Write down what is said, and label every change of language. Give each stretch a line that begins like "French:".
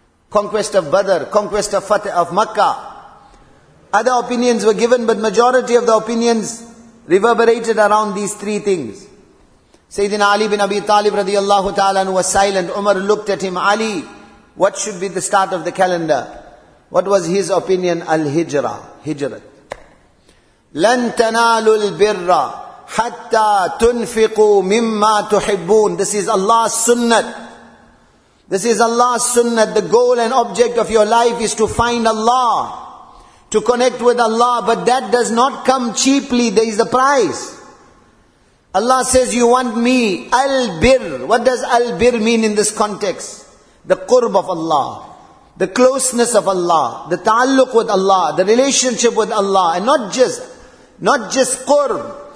English: Conquest of Badr, conquest of Fateh of Makkah. Other opinions were given, but majority of the opinions reverberated around these three things. Sayyidina Ali bin Abi Talib radiallahu ta'ala was silent. Umar looked at him. Ali, what should be the start of the calendar? What was his opinion? Al-Hijrah, Hijrat.
Arabic: لَن تَنَالُوا الْبِرَّ حَتَّى تُنْفِقُوا مِمَّا تُحِبُّونَ
English: This is Allah's sunnat. This is Allah's sunnat. The goal and object of your life is to find Allah, to connect with Allah, but that does not come cheaply. There is a price. Allah says, you want me, al-bir. What does al-bir mean in this context? The qurb of Allah, the closeness of Allah, the ta'alluq with Allah, the relationship with Allah, and not just qurb.